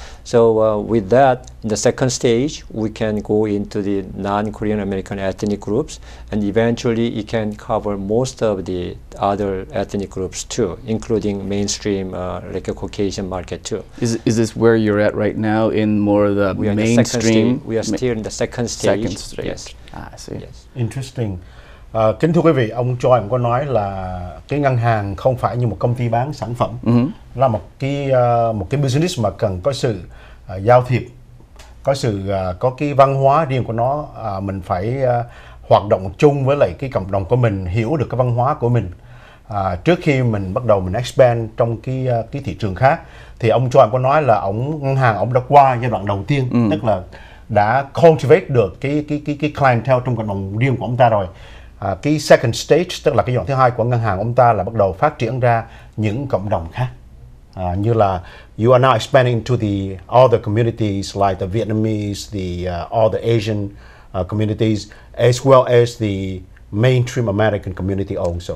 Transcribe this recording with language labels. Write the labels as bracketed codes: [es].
[en] So with that, in the second stage, we can go into the non-Korean American ethnic groups, and eventually it can cover most of the other ethnic groups too, including mainstream, like a Caucasian market too. Is this where you're at right now, in more of the mainstream? We are still in the second stage. Second stage. Yes. I see. Yes. Interesting. [vi] Kính thưa quý vị, ông Choi cũng có nói là cái ngân hàng không phải như một công ty bán sản phẩm, là một cái business mà cần có sự giao thiệp, có sự có cái văn hóa riêng của nó, mình phải hoạt động chung với lại cái cộng đồng của mình, hiểu được cái văn hóa của mình trước khi mình bắt đầu mình expand trong cái thị trường khác. Thì ông Choi cũng có nói là ngân hàng ông đã qua giai đoạn đầu tiên, tức là đã cultivate được cái clientele trong cộng đồng riêng của ông ta rồi. Cái second stage, tức là cái dòng thứ hai của ngân hàng ông ta, là bắt đầu phát triển ra những cộng đồng khác. Như là [en] you are now expanding to the other communities like the Vietnamese, the other Asian communities, as well as the mainstream American community also.